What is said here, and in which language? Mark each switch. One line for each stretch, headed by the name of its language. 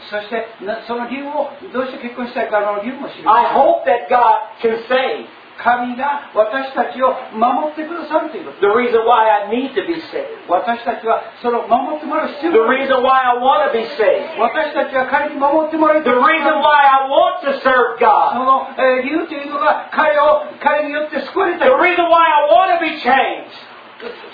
Japanese: そしてその理由をどうして結婚したいかの理由も知ります。
English: I hope that God can save.
Japanese: 神が私たちを守ってくださるということ。
English: The reason why I need to be saved.
Japanese: 私たちはその守ってもらう必要がある。
English: The reason why I want to be saved.
Japanese: 私たちは彼に守ってもらう。
English: The reason why I want to serve God.
Japanese: その理由というのが彼によって救われた。
English: The reason why I want to be changed.